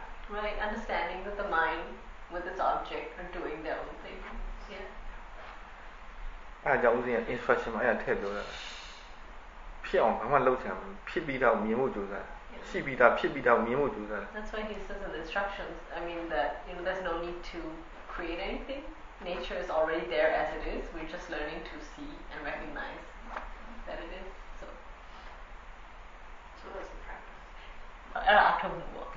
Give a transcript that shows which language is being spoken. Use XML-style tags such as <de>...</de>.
<en>။ Really understanding with the mind with its object and doing their own thing. Yeah.</en> <my>အဲ့ကြောင့်ဥစဉ်က instruction မှာအဲ့ထည့်ပြောတာ။ဖြစ်အောင်ဘာမှလုပ်ချင်မဖြစ်ပြီးတော့မြင်ဖို့ကြိုးစားတယ်။ရှိပြီးတော့ဖြစ်ပြီးတော့မြင်ဖို့ကြိုးစားတယ်။</my> <en>That's why he says in the instructions I mean that you know there's no need to create anything. Nature is already there as it is. We're just learning to see and recognize that it is. So, that's the practice. I don't know how to move on.</en>